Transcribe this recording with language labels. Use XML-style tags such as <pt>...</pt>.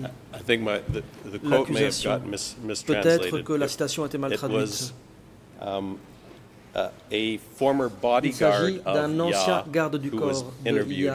<en>I think the quote may have got mistranslated.</en> <fr>Peut-être que la citation a été mal traduite.</fr> <en>It was, a former bodyguard of Ya who was interviewed</en>